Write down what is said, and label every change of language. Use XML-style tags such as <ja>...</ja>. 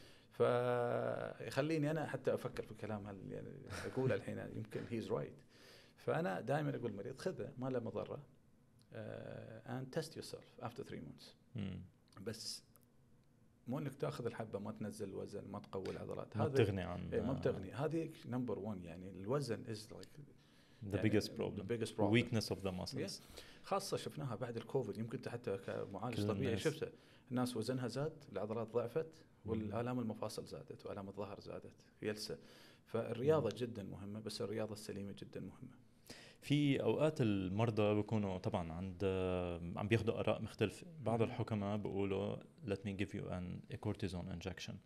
<ar>فيخليني أنا حتى أفكر في كلام هال يعني أقول الحين يمكن</ar> <en>he's right.</en> <ar>فأنا دائما أقول المريض خذه ما له مضرة،</ar> <en>and test yourself after 3 months.</en> <ar>بس مو انك تاخذ الحبه ما تنزل الوزن ما تقوي العضلات، هذا بتغني عن ما بتغني، هذه نمبر 1 يعني. الوزن</ar> <en>is like the biggest problem, the biggest problem, weakness of the muscles. yeah.</en> <ar>خاصه شفناها بعد الكوفيد، يمكن حتى كمعالج طبيعي شفته، الناس وزنها زاد، العضلات ضعفت، والالام المفاصل زادت، والام الظهر زادت يلسة. فالرياضه جدا مهمه، بس الرياضه السليمه جدا مهمه. في اوقات المرضى بيكونوا طبعا عند عم بياخذوا اراء مختلفه، بعض الحكماء بيقولوا</ar> <en>let me give you an a cortisone injection.</en>